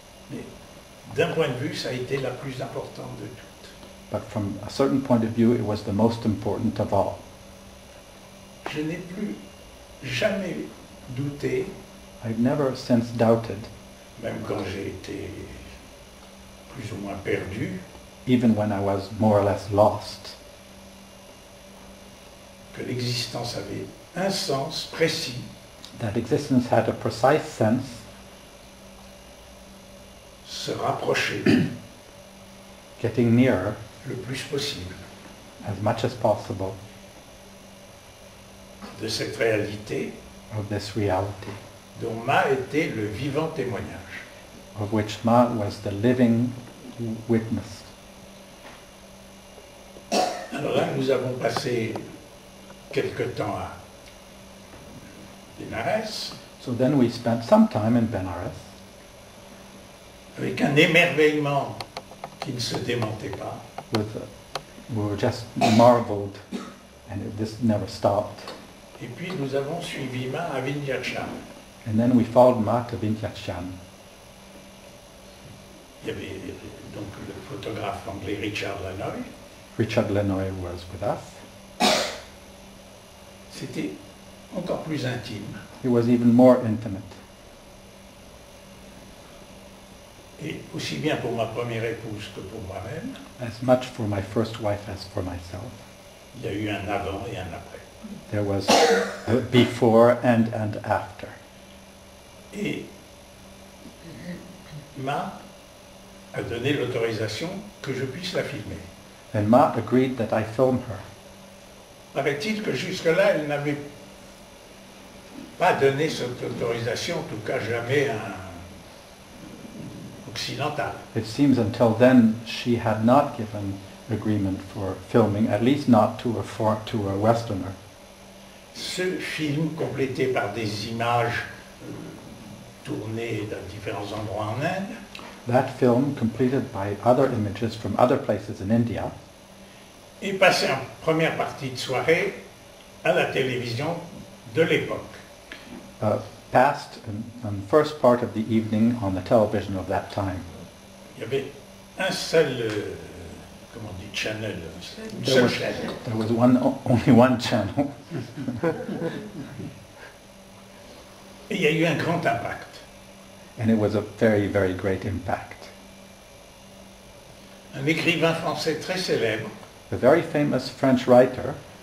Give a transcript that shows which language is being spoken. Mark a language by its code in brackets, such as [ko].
[fr] Mais d'un point de vue, ça a été la plus importante de toutes. [en] But from a certain point of view, it was the most important of all. [fr] Je n'ai plus jamais douté. [en] I've never since doubted. [fr] Même quand j'ai été plus ou moins perdu. [en] Even when I was more or less lost. [fr] Que l'existence avait un sens précis. [en] That existence had a precise sense. [fr] Se rapprocher. [en] Getting nearer. [fr] Le plus possible. [en] As much as possible. [fr] De cette réalité. [en] Of this reality. [fr] Dont Ma était le vivant témoignage. [en] Of which Ma was the living witness. [fr] Alors là, nous avons passé quelques temps à Benares. [en] So then we spent some time in Benares. [fr] Avec un émerveillement qui ne se démentait pas. [en] We were just marveled, and this never stopped. [fr] Et puis nous avons suivi Ma à Vindhyachan. [en] And then we followed Ma to Vindhyachan. [fr] Il y avait donc le photographe anglais Richard Lanoy. [en] Richard Lanoy was with us. [fr] C'était encore plus intime. [en] It was even more intimate. [fr] Et aussi bien pour ma première épouse que pour moi-même. [en] As much for my first wife as for myself. [fr] Il y a eu un avant et un après. [en] There was a before and after. [fr] Et Ma a donné l'autorisation que je puisse la filmer. [en] And Ma agreed that I film her. [fr] Paraît-il que jusque-là, elle n'avait pas donné cette autorisation, en tout cas jamais occidental. [en] It seems until then she had not given agreement for filming, at least not to a Westerner. [fr] Ce film complété par des images tournées dans différents endroits en Inde. [en] That film completed by other images from other places in India. [fr] Et passé en première partie de soirée à la télévision de l'époque. [en] Passed in the first part of the evening on the television of that time. [fr] Il y avait un seul, comment on dit, channel, une seule chaîne. [en] There was only one channel. [fr] Et il y a eu un grand impact. [en] And it was a very, very great impact. [fr] Un écrivain français très célèbre. [en] A very famous French writer,